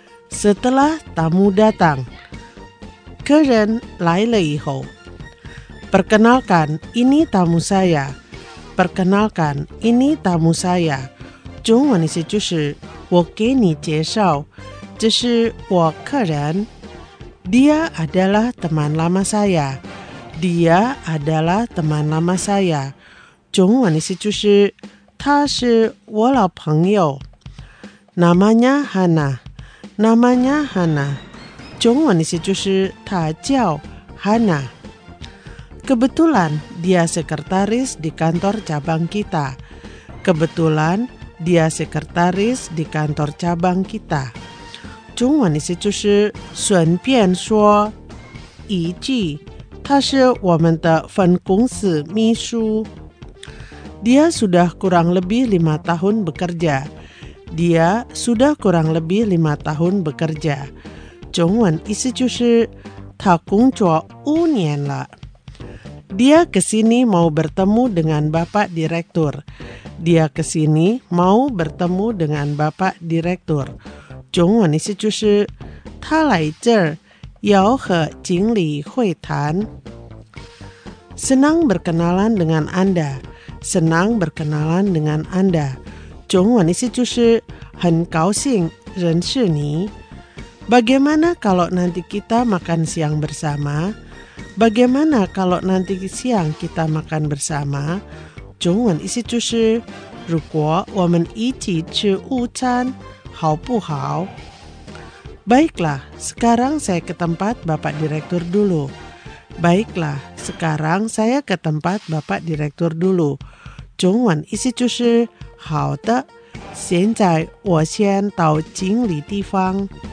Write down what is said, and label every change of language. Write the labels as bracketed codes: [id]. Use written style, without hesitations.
[id] Setelah tamu datang. [zh] 客人来了以后。 [id] Perkenalkan, ini tamu saya. Perkenalkan, ini tamu saya. [zh] 中文意思就是我给你介绍，这是我客人。 [id] Dia adalah teman lama saya. Dia adalah teman lama saya. [zh] 中文意思就是他是我老朋友。 [id] Namanya Hana. Namanya Hana. [zh] 中文意思就是他叫 Hana. [id] Kebetulan dia sekretaris di kantor cabang kita. Kebetulan dia sekretaris di kantor cabang kita. [zh] 中文意思就是顺便说一句，他是我们的分公司秘书。 [id] Dia sudah kurang lebih lima tahun bekerja. Dia sudah kurang lebih lima tahun bekerja. [zh] 中文意思就是他工作五年了。 [id] Dia kesini mau bertemu dengan bapak direktur. Dia kesini mau bertemu dengan bapak direktur. [zh] 中文意思就是他来这儿要和经理会谈。 [id] Senang berkenalan dengan Anda. Senang berkenalan dengan Anda. [zh] 中文意思就是很高兴认识你。 [id] Bagaimana kalau nanti kita makan siang bersama? Bagaimana kalau nanti siang kita makan bersama? [zh] 中文意思就是如果我们一起吃午餐好不好? [id] Baiklah, sekarang saya ke tempat Bapak Direktur dulu. Baiklah, sekarang saya ke tempat Bapak Direktur dulu. [zh] 中文意思就是好的，现在我先到经理地方。